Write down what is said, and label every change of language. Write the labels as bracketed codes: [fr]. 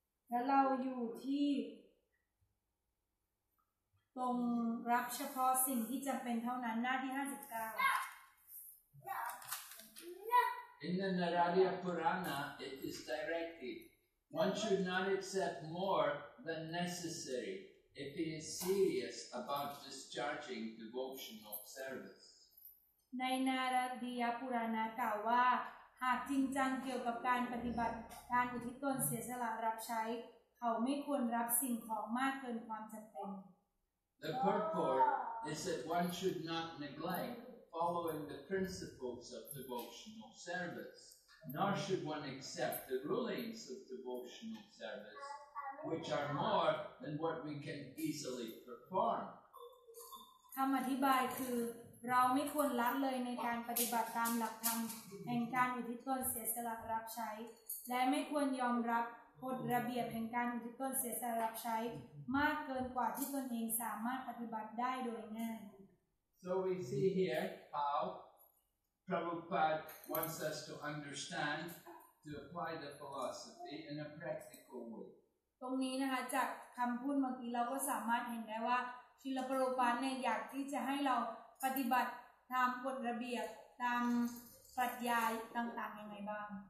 [th] และเราอยู่ที่ตรงรับเฉพาะสิ่งที่จำเป็นเท่านั้นหน้าที่59 [en] In the Naradiya Purana it is directed one should not accept more than necessary if he is serious about discharging devotional service [th] ในนาราดิยปุราณะกล่าวว่าหากจริงจังเกี่ยวกับการปฏิบัติการอุทิศตนเสียสละรับใช้เขาไม่ควรรับสิ่งของมากเกินความจำเป็น [en] The purport is that one should not neglect following the principles of devotional service, nor should one accept the rulings of devotional service, which are more than what we can easily perform. [th] คำอธิบายคือเราไม่ควรละเลยในการปฏิบัติตามหลักธรรมแห่งการอุทิศตนเสียสละรับใช้และไม่ควรยอมรับกฎระเบียบแห่งการอุทิศตนเสียสละรับใช้มากเกินกว่าที่ตนเองสามารถปฏิบัติได้โดยง่าย [en] So we see here how Prabhupada wants us to understand to apply the philosophy in a practical way [th] ตรงนี้นะคะจากคำพูดเมื่อกี้เราก็สามารถเห็นได้ว่าชิลปรูปันเนี่ยอยากที่จะให้เราปฏิบัติตามกฎระเบียบตามปรัชญาต่างๆยังไงบ้าง